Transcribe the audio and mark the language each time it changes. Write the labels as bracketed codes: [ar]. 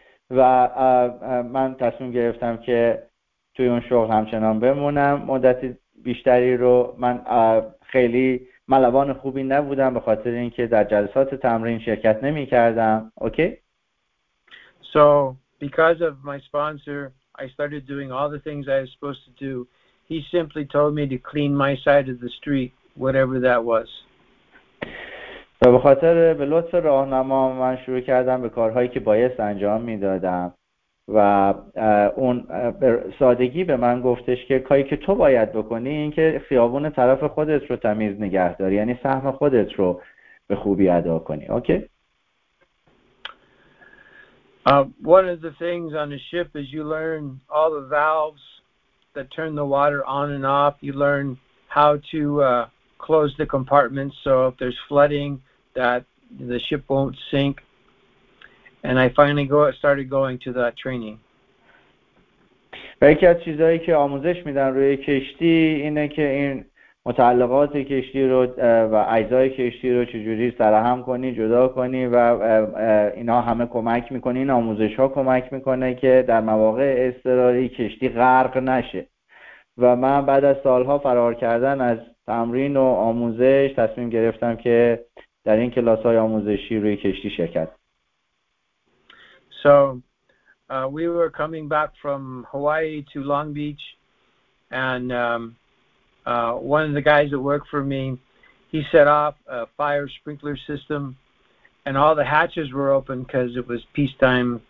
[fa] و من تصمیم گرفتم که توی اون شغل همچنان بمونم مدت بیشتری رو. من خیلی ملوان خوبی نبودم به خاطر اینکه در جلسات تمرین شرکت نمی کردم. اوکی. [en] So because of my sponsor I started doing all the things I was supposed to do. He simply told me to clean my side of the street, whatever that was. [fa] و به خاطر به لطف راهنما من شروع کردم به کارهایی که بایست انجام میدادم و اون به سادگی به من گفتش که کاری که تو باید بکنی این که خیابون طرف خودت رو تمیز نگه داری، یعنی سهم خودت رو به خوبی ادا کنی. اوکی. [en] One of the things on a ship is you learn all the valves that turn the water on and off. You learn how to close the compartments so if there's flooding that the ship won't sink. And I finally started going to that training. [fa] یکی از چیزهایی که آموزش میدن روی کشتی اینه که این متعلقات کشتی رو و اجزای کشتی رو چجوری سرهم کنی، جدا کنی و اینا همه کمک میکنه. این آموزش ها کمک میکنه که در مواقع اضطراری کشتی غرق نشه. و من بعد از سالها فرار کردن از تمرین و آموزش تصمیم گرفتم که در این کلاس های آموزشی روی کشتی شرکت. [en] So we were coming back from Hawaii to Long Beach, and one of the guys that worked for me, he set off a fire sprinkler system, and all the hatches were open because it was peacetime.